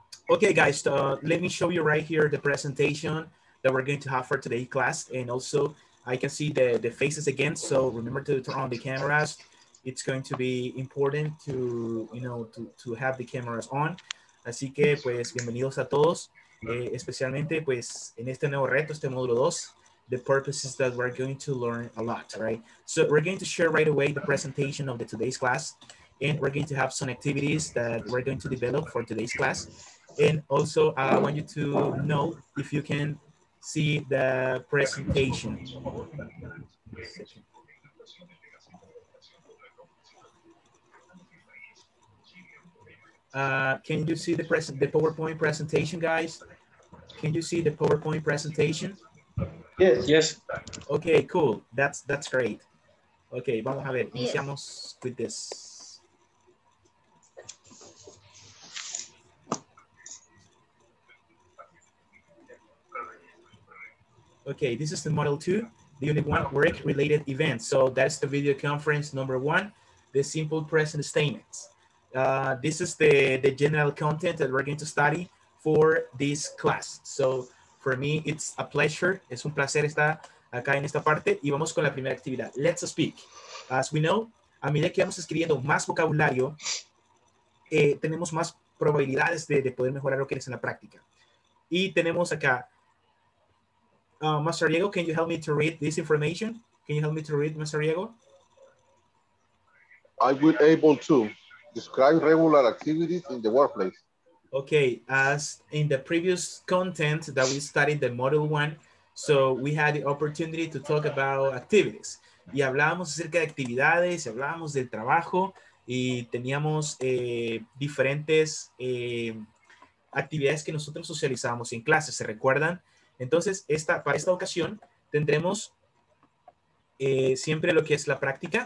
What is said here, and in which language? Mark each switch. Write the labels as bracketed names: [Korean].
[English] Okay, guys, let me show you right here the presentation that we're going to have for today's class. And also, I can see the faces again, so remember to turn on the cameras. It's going to be important to, you know, to have the cameras on. [Spanish] Así que, pues, bienvenidos a todos, especialmente, pues, en este nuevo reto, este módulo 2. [English] The purpose is that we're going to learn a lot, right? So we're going to share right away the presentation of the today's class, and we're going to have some activities that we're going to develop for today's class. And also, I want you to know if you can see the presentation. Can you see the PowerPoint presentation, guys? Can you see the PowerPoint presentation? Yes. Yes. Okay, cool. That's great. Okay, [Spanish] vamos a ver. Iniciamos [English] with this. Okay, this is the model 2, the unit 1 work-related events. So that's the video conference number 1, the simple present statements. This is the general content that we're going to study for this class. So for me, it's a pleasure. [Spanish] Es un placer estar acá en esta parte. Y vamos con la primera actividad. [English] Let's speak. As we know, [Spanish] a medida que vamos escribiendo más vocabulario, tenemos más probabilidades de poder mejorar lo que es en la práctica. Y tenemos acá, [English] Master Diego, can you help me to read this information? Can you help me to read, Master Diego? I will be able to. Describe regular activities in the workplace. Okay, as in the previous content that we studied, the model 1, so we had the opportunity to talk about activities. [Spanish] Y hablábamos acerca de actividades, hablábamos del trabajo, y teníamos diferentes actividades que nosotros socializábamos en clase, ¿se recuerdan? Entonces, para esta ocasión, tendremos siempre lo que es la práctica.